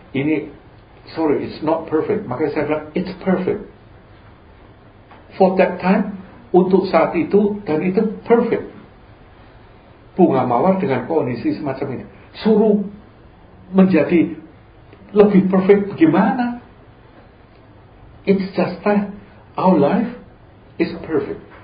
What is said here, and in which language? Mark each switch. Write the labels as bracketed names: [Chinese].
[Indonesian] Ini, [English] sorry, it's not perfect. [Indonesian] Makanya saya bilang, [English] it's perfect. For that time, [Indonesian] untuk saat itu, dan itu perfect. Bunga mawar dengan kondisi semacam ini. Suruh menjadi lebih perfect bagaimana? [English] It's just that our life is perfect.